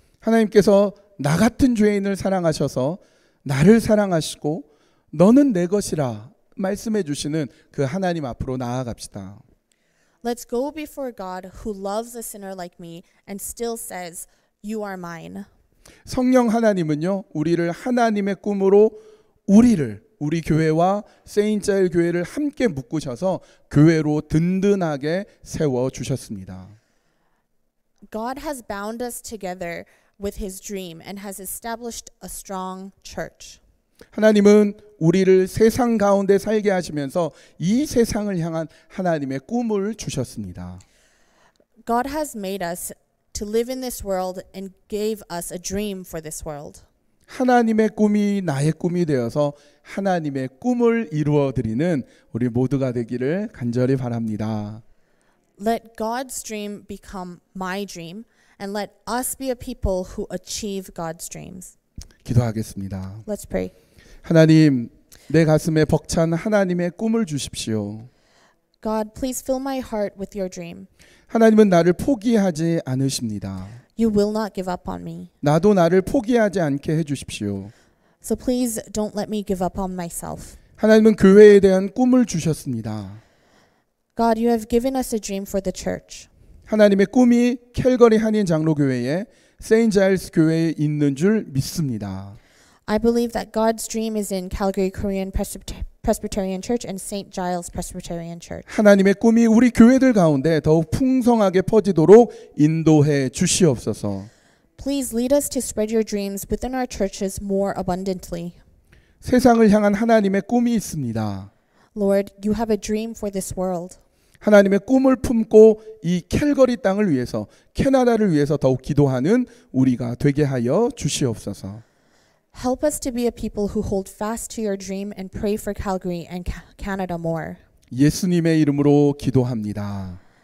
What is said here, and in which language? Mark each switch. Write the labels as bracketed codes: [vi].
[ko] 하나님께서 나 같은 죄인을 사랑하셔서 나를 사랑하시고 너는 내 것이라 말씀해 주시는 그 하나님 앞으로 나아갑시다. [en] Let's go before God who loves a sinner like me and still says, you are mine. [ko] 성령 하나님은요, 우리를 하나님의 꿈으로 우리를 우리 교회와 세인자일 교회를 함께 묶으셔서 교회로 든든하게 세워 주셨습니다. [en] God has bound us together with his dream and has established a strong church. [ko] 하나님은 우리를 세상 가운데 살게 하시면서 이 세상을 향한 하나님의 꿈을 주셨습니다. [en] God has made us to live in this world and gave us a dream for this world. [ko] 하나님의 꿈이 나의 꿈이 되어서 하나님의 꿈을 이루어드리는 우리 모두가 되기를 간절히 바랍니다. [en] Let God's dream become my dream and let us be a people who achieve God's dreams. [ko] 기도하겠습니다. [en] Let's pray. [ko] 하나님, 내 가슴에 벅찬 하나님의 꿈을 주십시오. [en] God, please fill my heart with your dream. [ko] 하나님은 나를 포기하지 않으십니다. [en] You will not give up on me. [ko] 나도 나를 포기하지 않게 해주십시오. [en] So please don't let me give up on myself. [ko] 하나님은 교회에 대한 꿈을 주셨습니다. [en] God, you have given us a dream for the church. [ko] 하나님의 꿈이 캘거리 한인 장로교회에 세인트 자일스 교회에 있는 줄 믿습니다. [en] I believe that God's dream is in Calgary Korean Presbyterian Church and St. Giles Presbyterian Church. [ko] 하나님의 꿈이 우리 교회들 가운데 더욱 풍성하게 퍼지도록 인도해 주시옵소서. [en] Please lead us to spread your dreams within our churches more abundantly. [ko] 세상을 향한 하나님의 꿈이 있습니다. [en] Lord, you have a dream for this world. [ko] 하나님의 꿈을 품고 이 캘거리 땅을 위해서 캐나다를 위해서 더욱 기도하는 우리가 되게 하여 주시옵소서. [en] Help us to be a people who hold fast to your dream and pray for Calgary and Canada more. [ko] 예수님의 이름으로 기도합니다.